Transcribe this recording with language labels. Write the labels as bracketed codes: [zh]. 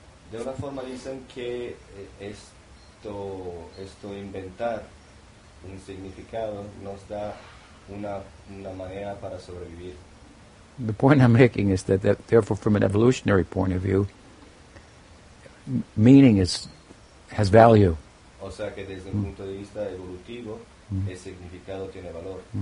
[es] De una forma dicen que esto inventar un significado nos da una manera para sobrevivir. [en] The point I'm making is that therefore, from an evolutionary point of view, meaning has value. [es] O sea que desde un punto de vista evolutivo, el significado tiene valor.